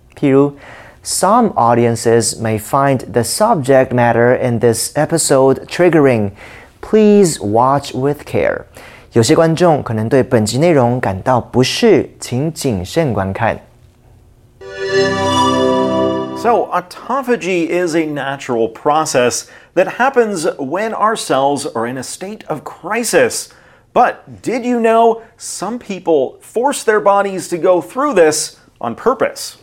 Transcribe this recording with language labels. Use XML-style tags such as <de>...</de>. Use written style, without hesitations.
<zh>譬如</zh> <en>Some audiences may find the subject matter in this episode triggering. Please watch with care.</en> <zh>有些观众可能对本集内容感到不适，请谨慎观看。</zh> <en>So, autophagy is a natural process that happens when our cells are in a state of crisis. But did you know some people force their bodies to go through this on purpose?</en>